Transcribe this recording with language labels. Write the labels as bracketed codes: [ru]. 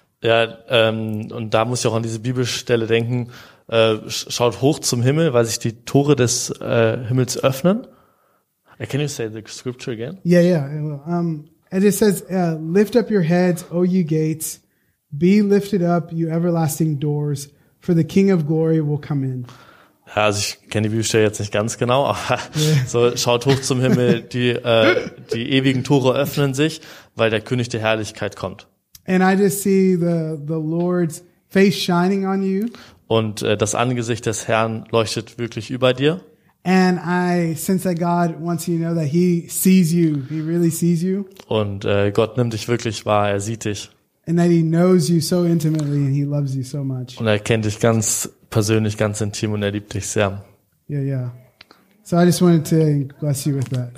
[de] Ja, und da muss ich auch an diese Bibelstelle denken. Schaut hoch zum Himmel, weil sich die Tore des Himmels öffnen. [en] Can you say the scripture again? Yeah. And it says, lift up your heads, O you gates, be lifted up, you everlasting doors, for the King of Glory will come in. [de] Ja, also ich kenne die Bibelstelle jetzt nicht ganz genau, aber so schaut hoch zum Himmel, die ewigen Tore öffnen sich, weil der König der Herrlichkeit kommt. [en] And I just see the Lord's face shining on you. [de] Und das Angesicht des Herrn leuchtet wirklich über dir. [en] And I sense that God wants you to know that he sees you. He really sees you. [de] Und Gott nimmt dich wirklich wahr, er sieht dich. [en] And that he knows you so intimately and he loves you so much. [de] Und er kennt dich ganz persönlich, ganz intim und er liebt dich sehr. [en] Yeah, yeah. So I just wanted to bless you with that.